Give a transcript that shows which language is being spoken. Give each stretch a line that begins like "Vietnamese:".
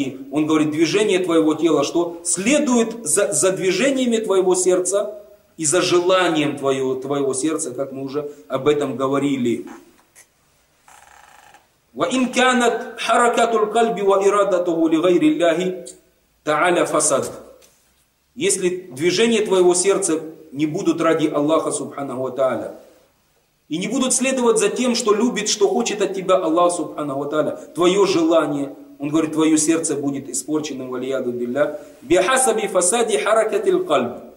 Russian: Он говорит, движение твоего тела, что следует за движениями твоего сердца и за желанием твоего сердца, как мы уже об этом говорили.
Arabic: وإن كانت حركة القلب وإرادته لغير الله تعالى فساد.
Russian: Если движения твоего сердца не будут ради Аллаха субханаху ва тааля и не будут следовать за тем, что любит, что хочет от тебя Аллах субханаху ва тааля, твое желание, он говорит, твое сердце будет испорченным валияду биллях
Arabic: бихасаби фасади харакати аль-кальб.